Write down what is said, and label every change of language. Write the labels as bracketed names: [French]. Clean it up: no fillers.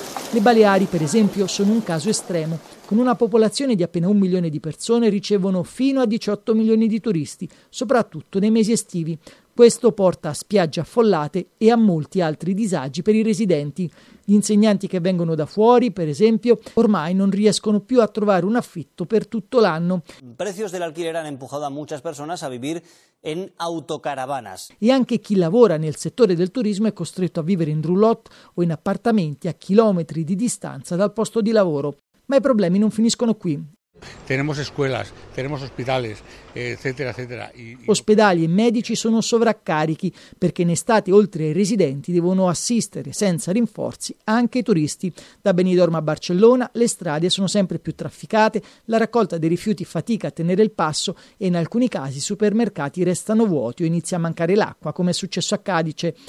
[Italian] Le Baleari, per esempio, sono un caso estremo. Con una popolazione di appena 1 milione di persone ricevono fino a 18 milioni di turisti, soprattutto nei mesi estivi. Questo porta a spiagge affollate e a molti altri disagi per i residenti. Gli insegnanti che vengono da fuori, per esempio, ormai non riescono più a trovare un affitto per tutto l'anno. [Spanish] Precios del alquiler han empujado a muchas personas a vivir en autocaravanas. [Italian] E anche chi lavora nel settore del turismo è costretto a vivere in roulotte o in appartamenti a chilometri di distanza dal posto di lavoro. Ma i problemi non finiscono qui. [Spanish] Tenemos escuelas, tenemos hospitales, etcétera, etcétera. [Italian] Ospedali e medici sono sovraccarichi perché in estate, oltre ai residenti, devono assistere senza rinforzi anche i turisti. Da Benidorm a Barcellona le strade sono sempre più trafficate, la raccolta dei rifiuti fatica a tenere il passo e in alcuni casi i supermercati restano vuoti o inizia a mancare l'acqua, come è successo a Cadice.